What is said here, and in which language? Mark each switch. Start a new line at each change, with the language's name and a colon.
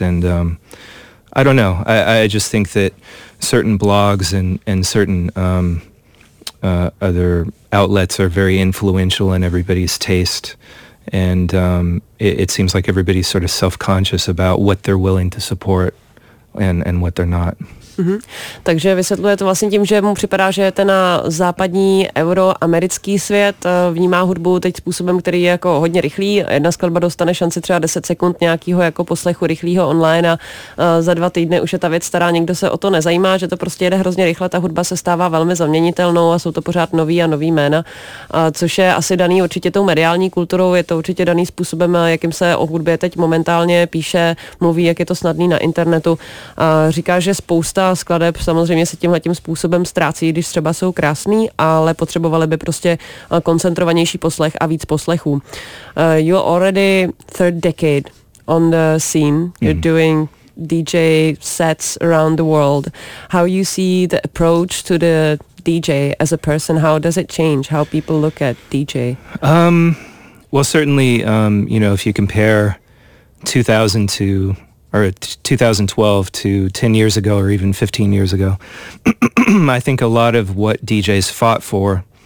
English: And I don't know, I just think that certain blogs and certain other outlets are very influential in everybody's taste, and it seems like everybody's sort of self-conscious about what they're willing to support and what they're not. Mm-hmm.
Czech: Takže vysvětluje to vlastně tím, že mu připadá, že je ten západní euroamerický svět, vnímá hudbu teď způsobem, který je jako hodně rychlý. Jedna skladba dostane šanci třeba 10 sekund nějakého jako poslechu rychlého online a za 2 týdny už je ta věc stará, někdo se o to nezajímá, že to prostě jede hrozně rychle, ta hudba se stává velmi zaměnitelnou a jsou to pořád nový a nový jména, což je asi daný určitě tou mediální kulturou, je to určitě daný způsobem, jakým se o hudbě teď momentálně píše, mluví, jak je to snadný na internetu. Říká, že spousta skladeb samozřejmě se tímhletím způsobem ztrácí, když třeba jsou krásný, ale potřebovali by prostě koncentrovanější poslech a víc poslechů.
English: You're already third decade on the scene. You're doing DJ sets around the world. How you see the approach to the DJ as a person? How does it change how people look at DJ? Well, certainly, you know, if you compare 2000 to, or 2012 to 10 years ago or even 15 years ago, I think a lot of what DJs fought for